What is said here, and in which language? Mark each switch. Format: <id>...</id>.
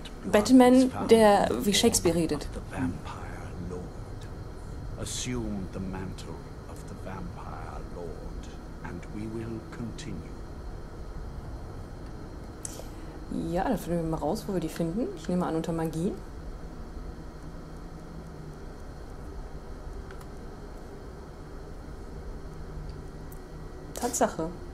<de>Batman, der wie Shakespeare redet.</de> <en>The Vampire Lord. Assume the mantle of the Vampire Lord and we will continue.</en> <de>Ja, dann finden wir mal raus, wo wir die finden. Ich nehme an, unter Magie. Tatsache.</de>